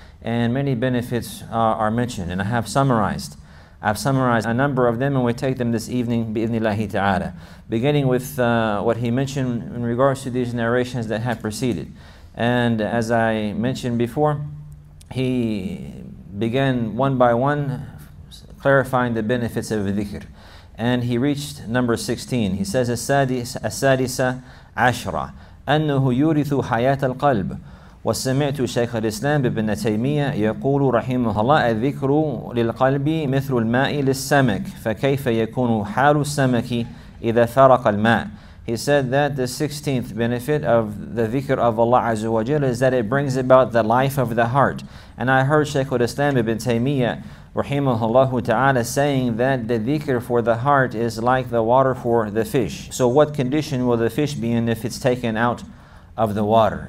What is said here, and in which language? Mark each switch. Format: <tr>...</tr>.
<en>And many benefits are mentioned, and I've summarized a number of them, and we take them this evening, bi-idhnillahi ta'ala. Beginning with what he mentioned in regards to these narrations that have preceded. And as I mentioned before, he began one by one clarifying the benefits of dhikr. And he reached number 16. He says,</en> <ar>As-Sadisa Ashra, أَنُّهُ يُورِثُ حَيَاةَ الْقَلْبِ وَسَمِعْتُ شَيْخَ الْإِسْلَامِ بِبْنَ تَيْمِيَةَ يَقُولُ رَحِيمُهَ اللَّهِ الذِّكْرُ لِلْقَلْبِ مِثْلُ الْمَاءِ لِلسَّمَكِ فَكَيْفَ يَكُونُ حَالُ السَّمَكِ إِذَا فَرَقَ الْمَاءِ.</ar> <en>He said that the 16th benefit of the dhikr of Allah Azza wa Jalla is that it brings about the life of the heart. And I heard Shaykh al-Islam ibn Taymiyyah rahimahullahu ta'ala saying that the dhikr for the heart is like the water for the fish. So what condition will the fish be in if it's taken out of the water?</en>